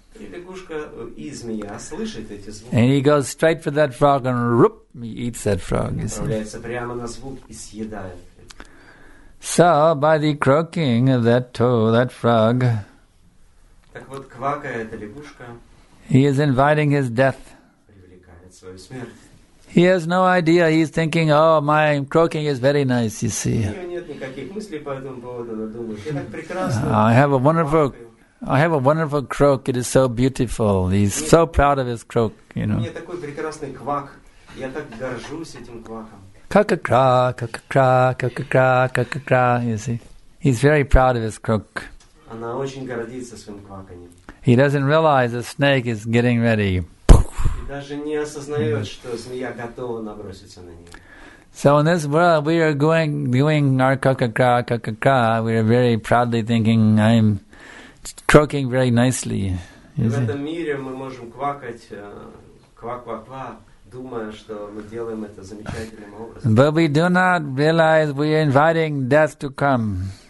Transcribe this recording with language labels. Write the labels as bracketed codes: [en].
[ru] И лягушка, и змея слышит эти звуки. [en] And he goes straight for that frog and roop, he eats that frog. [ru] И направляется прямо на звук и съедает. [en] So, by the croaking of that toad, that frog, [ru] так вот, квакая эта лягушка, [en] he is inviting his death. [ru] Привлекает свою смерть. [en] He has no idea. He is thinking, oh, my croaking is very nice, you see. [ru] У него нет никаких мыслей по этому поводу, но думает, я так прекрасно. [en] I have a wonderful croak. It is so beautiful. He's so proud of his croak, you know. [ru] У меня такой прекрасный квак. Я так горжусь этим кваком. Ка-ка-кра, ка-ка-кра, ка-ка-кра, ка-ка-кра, [en] you see. He's very proud of his croak. [ru] Она очень гордится своим кваканьем. [en] He doesn't realize the snake is getting ready. [ru] И даже не осознает, что змея готова наброситься на нее. [en] So in this world, we are doing our ка-ка-кра, ка-ка-кра. We are very proudly thinking, I'm croaking very nicely. [ru] В этом мире мы можем квакать, ква-ква-ква. [en] But we do not realize we are inviting death to come.